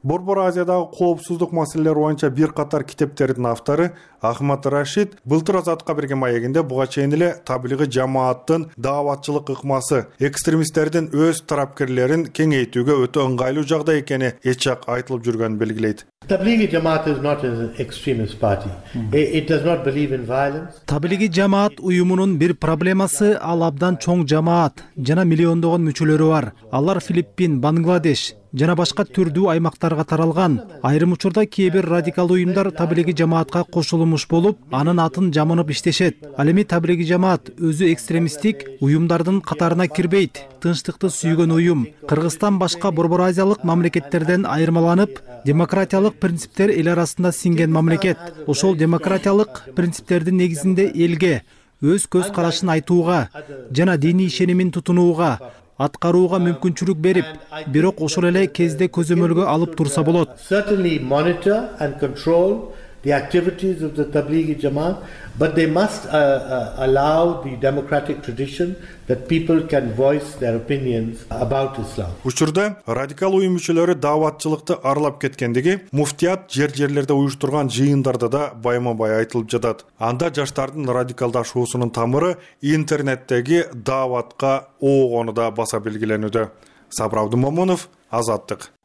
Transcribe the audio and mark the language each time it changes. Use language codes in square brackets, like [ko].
[ky] Борбор Азиядагы коопсуздук маселелери боюнча бир катар китептердин автору Ахмат Рашид былтыр Азатка берген маегинде буга чейин эле таблигы жамааттын даватчылык ыкмасы экстремисттердин өз тарапкерлерин кеңейтүүгө өтө ыңгайлуу жагдай экени эчак айтылып жүргөнүн белгилейт. [en] Таблиги жамаат is not an extremist party. It does not believe in violence. [ky] Таблиги жамаат уюмунун бир проблемасы ал абдан чоң жамаат жана миллиондогон мүчөлөрү бар. Алар Филиппин, Бангладеш жана башка түрдүү аймактарга таралган. Айрым учурда кээ бир радикал уюмдар таблиги жамаатка кошулмуш болуп, анын атын жамынып иштешет. Ал эми таблиги жамаат өзү экстремисттик уюмдардын катарына кирбейт. Тынчтыкты сүйгөн уюм. Кыргызстан башка борбор азиялык мамлекеттерден айырмаланып, демократиялык принциптер эл арасында сиңген мамлекет. Ошол демократиялык принциптердин негизинде элге өз көз карашын айтууга жана диний ишенимин тутунууга аткарууга мүмкүнчүлүк берип, бирок ошол эле кезде көзөмөлгө алып турса болот. [en] Certainly monitor and control the activities of the Tablighi Jamaat, but they must allow the democratic tradition that people can voice their opinions about Islam. [ky] Учурда радикал уюм мүчөлөрү даватчылыкты арлап кеткендиги, муфтият жер-жерлерде уюштурган жыйындарда да байма-бай айтылып жатат. Анда жаштардын радикалдашуусунун тамыры интернеттеги даватка оогону да баса белгиленүүдө. Сабыр Абдымомонов, Азаттык.